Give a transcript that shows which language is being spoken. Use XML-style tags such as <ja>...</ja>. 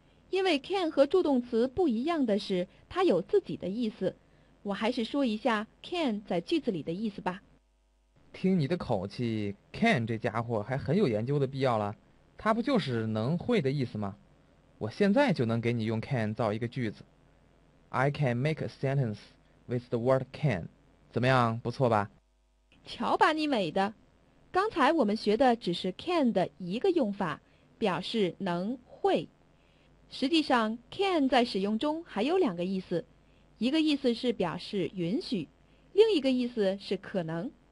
<zh>因为 can 和助动词不一样的是，它有自己的意思。我还是说一下 can 在句子里的意思吧。听你的口气 ，can 这家伙还很有研究的必要了。它不就是能会的意思吗？我现在就能给你用 can 造一个句子。</zh> <en>I can make a sentence with the word can。</en> <zh>怎么样，不错吧？瞧把你美的！刚才我们学的只是 can 的一个用法，表示能、会。实际上 can 在使用中还有两个意思，一个意思是表示允许，另一个意思是可能。</zh>